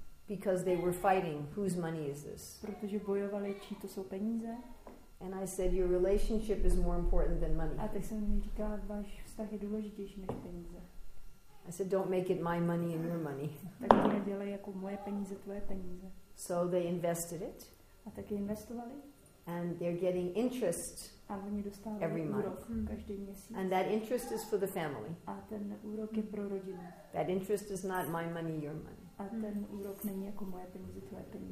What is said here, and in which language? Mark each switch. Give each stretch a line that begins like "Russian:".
English: Because they were fighting, whose money is this?
Czech: Protože bojovali, čí to jsou peníze.
English: And I said, your relationship is more important than money.
Czech: A tak jsem mi říkala, váš vztah je důležitější než peníze.
English: I said, don't make it my money and your money.
Czech: Tak to nedělej jako moje peníze, tvoje peníze.
English: So they invested it.
Czech: A taky investovali.
English: And they're getting interest every month. And that interest is for the family.
Czech: A ten úrok je pro rodinu.
English: That interest is not my money, your money.
Czech: A ten úrok není jako moje peníze, tvoje peníze.